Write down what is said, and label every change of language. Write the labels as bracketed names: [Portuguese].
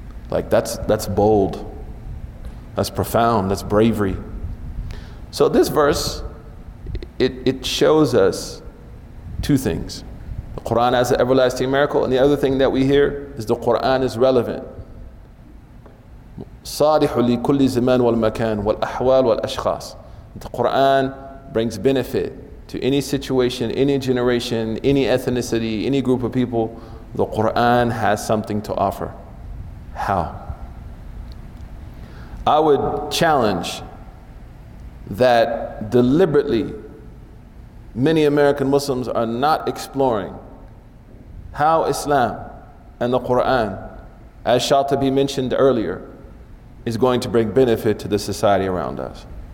[English] Like, that's bold. That's profound, that's bravery. So this verse, it shows us two things. The Quran as an everlasting miracle, and the other thing that we hear is the Quran is relevant. [Arabic] صالح لكل زمان والمكان والأحوال والأشخاص. [English] The Quran brings benefit to any situation, any generation, any ethnicity, any group of people. The Quran has something to offer. How? I would challenge that deliberately many American Muslims are not exploring how Islam and the Quran, as Shatibi mentioned earlier, is going to bring benefit to the society around us.